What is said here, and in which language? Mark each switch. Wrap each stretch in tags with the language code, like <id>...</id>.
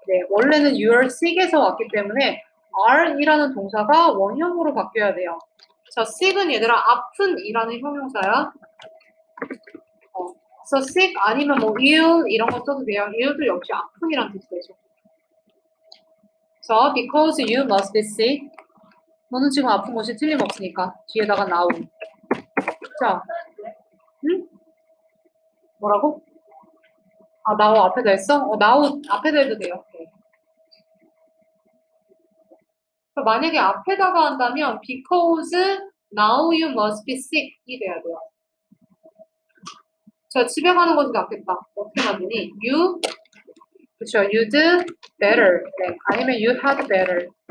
<ko>네, 원래는</ko> <en>you are sick</en> <ko>에서 왔기 때문에 are이라는 동사가 원형으로 바뀌어야 돼요. 자, sick은 얘들아, 아픈이라는 형용사야. 그래서 sick 아니면 뭐 ill 이런 거 써도 돼요. ill도 역시 아픈이란 뜻이 되죠. 그래서</ko> <en>because you must be sick.</en> <ko>너는 지금 아픈 것이 틀림없으니까 뒤에다가 나오. 자, 뭐라고? 아, now 앞에다 했어? 어, now 앞에다 해도 돼요. 만약에 앞에다가 한다면</ko> <en>because now you must be sick</en> <ko>이 돼야 돼요. 자, 집에 가는 것이 낫겠다. 어떻게 만드니?</ko> <en>You, 그쵸, you'd better.</en> <ko>네.</ko> <en>아니면 you had better.</en>